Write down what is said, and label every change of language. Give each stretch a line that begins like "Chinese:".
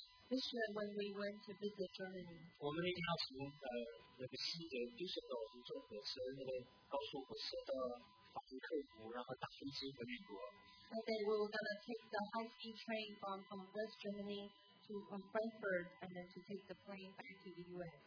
English: ，This year when we went to visit Germany，
Chinese: 我们那天要从那个西德杜塞尔多夫坐火车，那个高速火车到法兰克福，然后搭飞机回美国。
English: And then we were gonna take the high-speed train from West Germany to Frankfurt and then to take the plane back to the US。